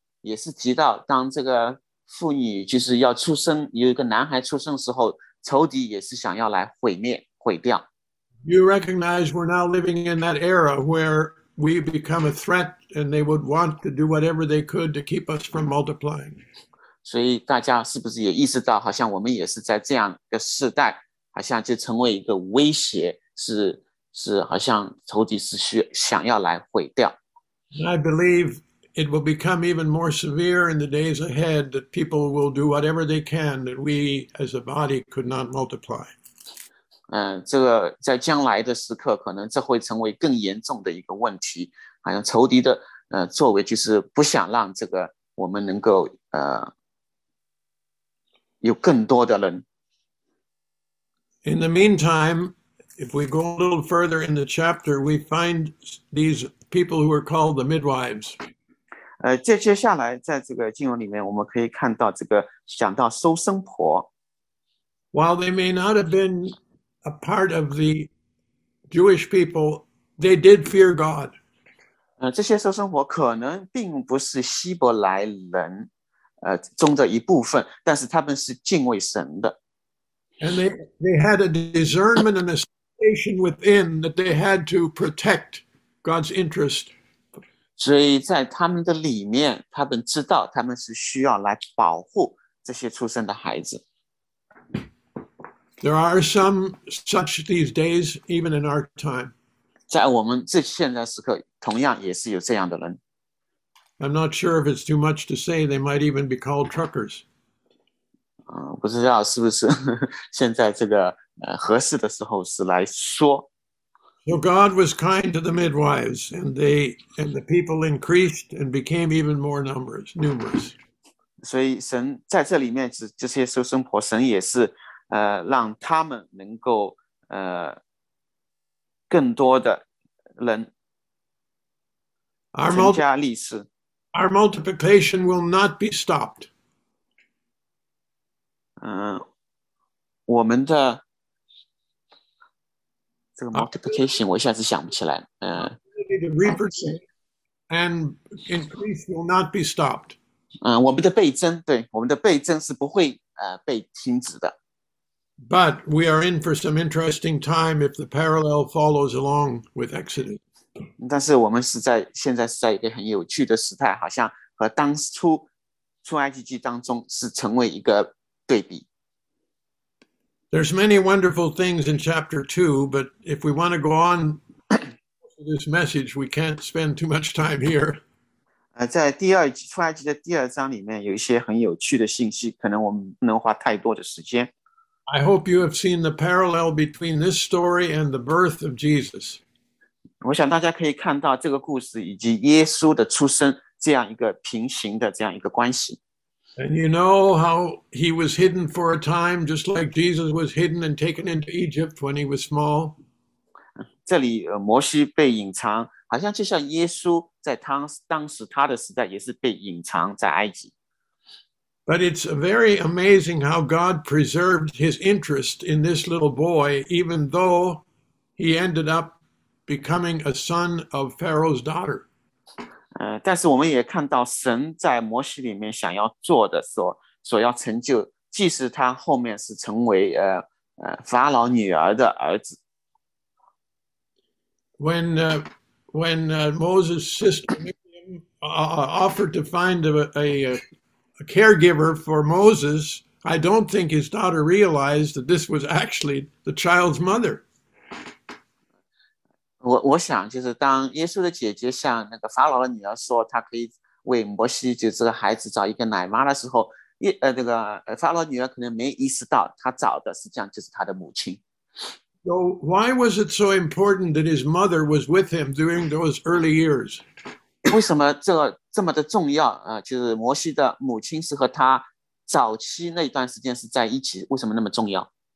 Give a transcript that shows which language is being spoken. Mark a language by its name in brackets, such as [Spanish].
[Chinese] 也是提到当这个妇女就是要出生有一个男孩出生的时候仇敌也是想要来毁灭毁掉。 [English] You recognize we're now living in that era where we become a threat and they would want to do whatever they could to keep us from multiplying. [Chinese] 所以大家是不是也意识到好像我们也是在这样一个世代好像就成为一个威胁是好像仇敌是想要来毁掉。 [English] I believe it will become even more severe in the days ahead that people will do whatever they can that we as a body could not multiply. [Chinese] 这个在将来的时刻可能这会成为更严重的一个问题，好像仇敌的作为就是不想让这个我们能够有更多的人。 [English] In the meantime, if we go a little further in the chapter, we find these people who are called the midwives. [Chinese] 接下来在这个经文里面我们可以看到这个讲到收生婆。 [English] While they may not have been a part of the Jewish people, they did fear God. [Chinese] 这些收生婆可能并不是希伯来人中的一部分，但是他们是敬畏神的。 [English] And they had a discernment and a situation within that they had to protect God's interest. [Chinese] 所以在他们的里面，他们知道他们是需要来保护这些出生的孩子。 [English] There are some such these days, even in our time. [Chinese] 在我们这现在时刻，同样也是有这样的人。 [English] I'm not sure if it's too much to say they might even be called truckers. [Chinese] 不知道是不是现在这个合适的时候是来说。 [English] So God was kind to the midwives, and they and the people increased and became even more numerous. [Chinese] 所以神在这里面这些收生婆，神也是让他们能够更多的人增加历史。 [English] Our multiplication will not be stopped. [Chinese] 我们的这个 multiplication 我一下子想不起来。 [English] The reproduction and increase will not be stopped. [Chinese] 我们的倍增，对，我们的倍增是不会被停止的。 [English] But we are in for some interesting time if the parallel follows along with Exodus. [Chinese] 但是我们是在现在是在一个很有趣的时态，好像和当初出埃及记当中是成为一个对比。 [English] There's many wonderful things in chapter 2, but if we want to go on to this message, we can't spend too much time here. [Chinese] 在第二出埃及的第二章里面有一些很有趣的信息，可能我们不能花太多的时间。 [English] I hope you have seen the parallel between this story and the birth of Jesus. [Chinese] 我想大家可以看到这个故事以及耶稣的出生这样一个平行的这样一个关系。 [English] And you know how he was hidden for a time, just like Jesus was hidden and taken into Egypt when he was small. [Chinese] 这里摩西被隐藏，好像就像耶稣在当时他的时代也是被隐藏在埃及。 [English] But it's very amazing how God preserved his interest in this little boy, even though he ended up becoming a son of Pharaoh's daughter. [Chinese] 但是我们也看到神在摩西里面想要做的所要成就，即使他后面是成为法老女儿的儿子。 [English] When Moses' sister Miriam offered to find a caregiver for Moses, I don't think his daughter realized that this was actually the child's mother. [Chinese] 我想就是当耶稣的姐姐向那个法老的女儿说她可以为摩西就这个孩子找一个奶妈的时候，那个法老女儿可能没意识到她找的实际上就是她的母亲。 [English] So why was it so important that his mother was with him during those early years? [Chinese] 为什么这么的重要就是摩西的母亲是和他早期那段时间是在一起，为什么那么重要？